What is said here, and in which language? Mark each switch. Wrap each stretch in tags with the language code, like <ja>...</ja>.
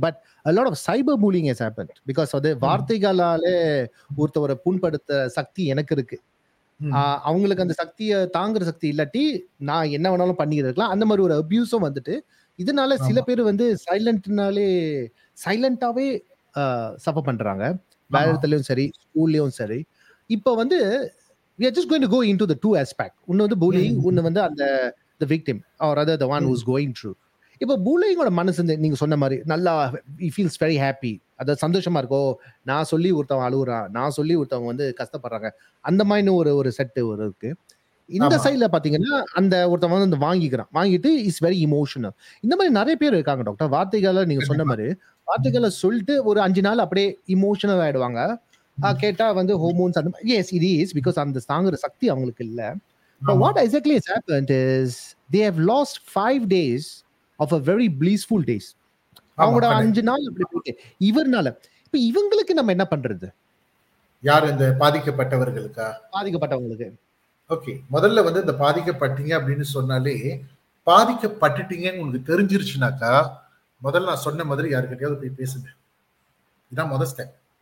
<en>but a lot of cyber bullying has happened because</en> <ta>அது வார்த்தைகளாலே ஒருத்தவரை புண்படுத்த சக்தி எனக்கு இருக்கு. அவங்களுக்கு அந்த சக்தியை தாங்குற சக்தி இல்லாட்டி நான் என்ன வேணாலும் பண்ணிக்கிட்டு இருக்கலாம். அந்த மாதிரி ஒரு அபியூஸும் வந்துட்டு இதனால சில பேர் வந்து சைலண்ட்னாலே சைலண்டாகவே சஃபர் பண்ணுறாங்க. வேலையத்துலேயும் சரி, ஸ்கூல்லேயும் சரி. இப்போ வந்து</ta> <en>we are just going to go into the two aspect, one of the bullying, one of the victim or rather the one who's going through.</en> <ta>இப்போ பூலைங்களோட மனசு நீங்க சொன்ன மாதிரி நல்லா</ta> <en>he feels very happy,</en> <ta>அது சந்தோஷமா இருக்கோ, நான் சொல்லி ஒருத்தவங்க அழுகுறான், நான் சொல்லி ஒருத்தவங்க வந்து கஷ்டப்படுறாங்க, அந்த மாதிரி ஒரு ஒரு செட்டு ஒரு இருக்கு. இந்த சைட்ல பாத்தீங்கன்னா அந்த ஒருத்தன் வந்து அந்த வாங்கிக்கிறான், வாங்கிட்டு</ta> <en>Is very emotional.</en> <ta>இந்த மாதிரி நிறைய பேர் இருக்காங்க டாக்டர், வார்த்தைகளை நீங்க சொன்ன மாதிரி வார்த்தைகளை சொல்லிட்டு ஒரு அஞ்சு நாள் அப்படியே இமோஷனல் ஆயிடுவாங்க. கேட்டா வந்து ஹோமோன்ஸ் அந்த மாதிரி,</ta> <en>yes it is because</en> <ta>அந்த தாங்குற சக்தி அவங்களுக்கு இல்ல.</ta> <en>But what exactly has happened is they have lost 5 days of a very blissful days.</en> <ta>அவங்கட அஞ்சு நாள் அப்படி போயிடு இவர்னால. இப்ப இவங்களுக்கு நம்ம என்ன பண்றது? யார் இந்த பாதிக்கப்பட்டவர்களுக்கா? பாதிக்கப்பட்டவங்களுக்கு. ஓகே, முதல்ல வந்து இந்த பாதிக்கப்பட்டீங்க அப்படின்னு சொன்னாலே பாதிக்கப்பட்டுட்டீங்கன்னு உங்களுக்கு தெரிஞ்சிருச்சுனாக்கா முதல்ல நான் சொன்ன மாதிரி யாருக்கிட்டையாவது போய் பேசுங்க. இதுதான் முதல் ஸ்டெப்.</ta>